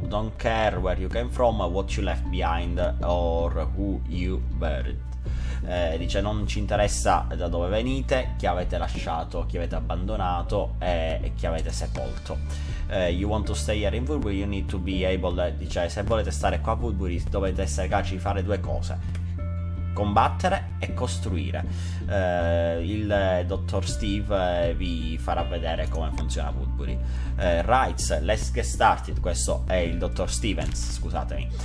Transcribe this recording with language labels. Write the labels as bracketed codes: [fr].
[en] Don't care where you came from, what you left behind, or who you buried. [it] Dice: non ci interessa da dove venite, chi avete lasciato, chi avete abbandonato e chi avete sepolto. [en] You want to stay here in Woodbury, you need to be able. [it] Dice: se volete stare qua a Woodbury, dovete essere capaci di fare due cose: combattere e costruire. Il dottor Steve vi farà vedere come funziona Woodbury. [en] Rights, let's get started. [it] Questo è il dottor Stevens, scusatemi.